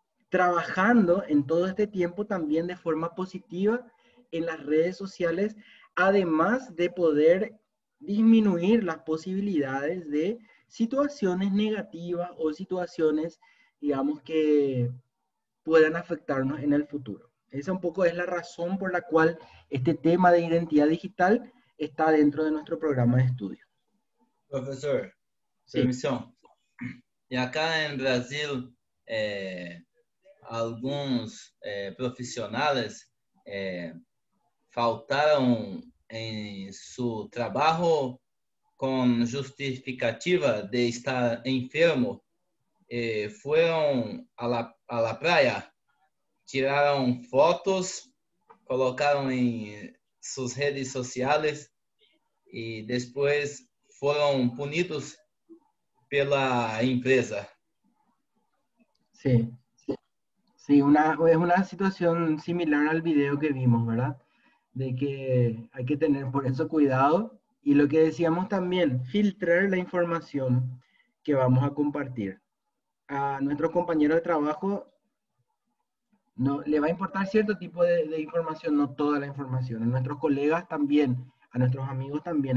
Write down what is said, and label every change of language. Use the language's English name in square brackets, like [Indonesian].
[Spanish] trabajando en todo este tiempo también de forma positiva en las redes sociales, además de poder disminuir las posibilidades de situaciones negativas o situaciones, digamos, que puedan afectarnos en el futuro. Esa un poco es la razón por la cual este tema de identidad digital está dentro de nuestro programa de estudio. Profesor, sí. Permiso. Y acá en Brasil, [Portuguese] alguns profissionais faltaram em seu trabalho com justificativa de estar enfermo e foram à praia, tiraram fotos, colocaram em suas redes sociais e depois foram punidos pela empresa. [Spanish] Sí, sí, es una situación similar al video que vimos, ¿verdad? De que hay que tener por eso cuidado y lo que decíamos también, filtrar la información que vamos a compartir. A nuestro compañero de trabajo no le va a importar cierto tipo de información, no toda la información. A nuestros colegas también, a nuestros amigos también.